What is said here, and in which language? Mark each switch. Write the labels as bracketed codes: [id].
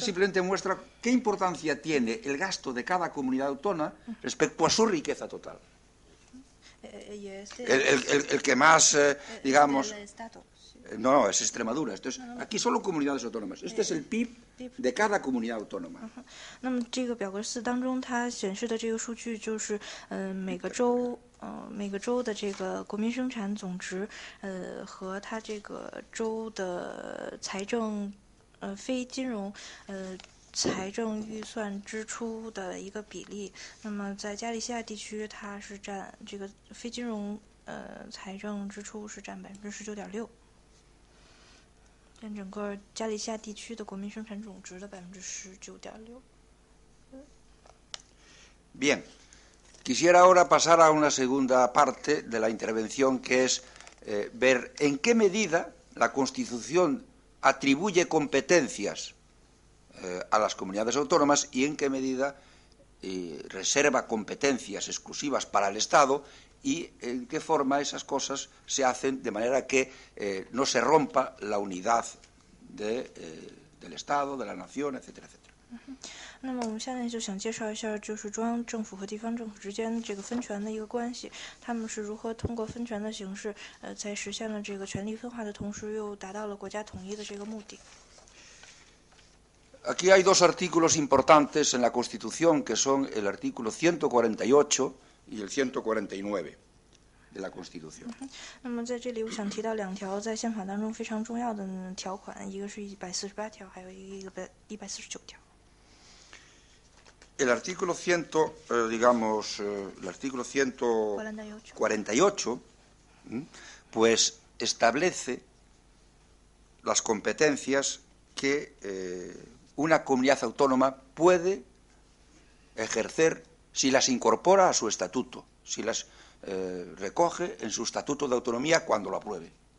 [es] Simplemente muestra qué importancia tiene el gasto de cada comunidad autónoma respecto a su riqueza total. El que más, digamos. El Estado. No, es Extremadura. Esto es, aquí solo comunidades autónomas. Este es el PIB de cada comunidad autónoma. [zh] 那么这个表格四当中，它显示的这个数据就是，每个州，每个州的这个国民生产总值，和它这个州的财政，非金融，财政预算支出的一个比例。那么在加利西亚地区，它是占这个非金融，财政支出是占19.6%。占整个加利西亚地区的国民生产总值的19.6%。 [es] Bien, quisiera ahora pasar a una segunda parte de la intervención, que es ver en qué medida la Constitución atribuye competencias a las comunidades autónomas y en qué medida reserva competencias exclusivas para el Estado y en qué forma esas cosas se hacen de manera que no se rompa la unidad del Estado, de la nación, etcétera, etcétera. [zh] 那么我们下面就想介绍一下，就是中央政府和地方政府之间这个分权的一个关系，他们是如何通过分权的形式，在实现了这个权力分化的同时，又达到了国家统一的这个目的。 [es] Aquí hay dos artículos importantes en la Constitución, que son el artículo 148 y el 149 de la Constitución. [zh] 那么在这里我想提到两条在宪法当中非常重要的条款，一个是148条，还有一个149条。 [es] El artículo 100, digamos, el artículo 148, pues establece las competencias que... una comunidad autónoma puede ejercer si las incorpora a su estatuto, si las recoge en su estatuto de autonomía cuando lo apruebe.